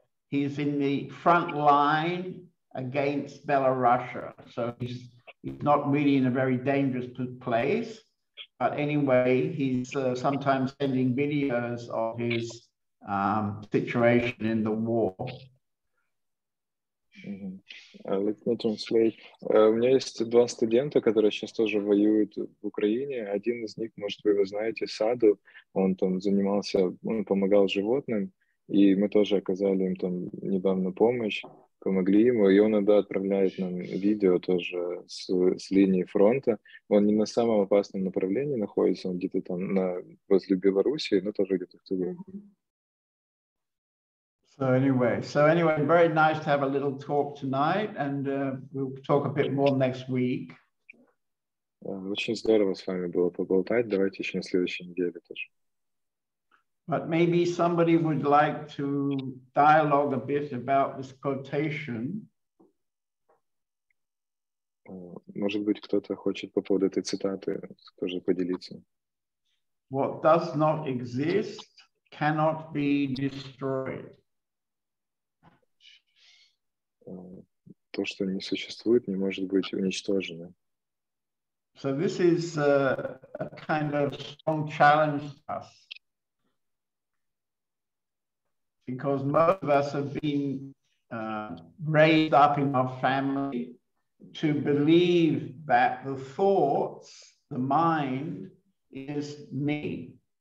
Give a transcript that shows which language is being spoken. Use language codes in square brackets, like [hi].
[en] He's in the front line against Belarusia, so he's not really in a very dangerous place, but anyway, he's sometimes sending videos of his situation in the war. Let me translate. [ru] У меня есть два студента, которые сейчас тоже воюют в Украине. Один из них, может, вы его знаете, Саду. Он там занимался, он помогал животным, и мы тоже оказали им там недавно помощь, помогли ему, и он иногда отправляет нам видео тоже с линии фронта. Он не на самом опасном направлении находится, он где-то там возле Белоруссии, но тоже где-то в тылу. [en] So anyway, very nice to have a little talk tonight, and we'll talk a bit more next week. [ru] Очень здорово с вами было поболтать. Давайте еще на следующей неделе тоже. [en] But maybe somebody would like to dialogue a bit about this quotation. [ru] Может быть, кто-то хочет по поводу этой цитаты тоже поделиться. [en] What does not exist cannot be destroyed. [ru] То, что не существует, не может быть уничтожено. [en] So this is a kind of strong challenge to us. Because most of us have been raised up in our family to believe that the thoughts, the mind, is me.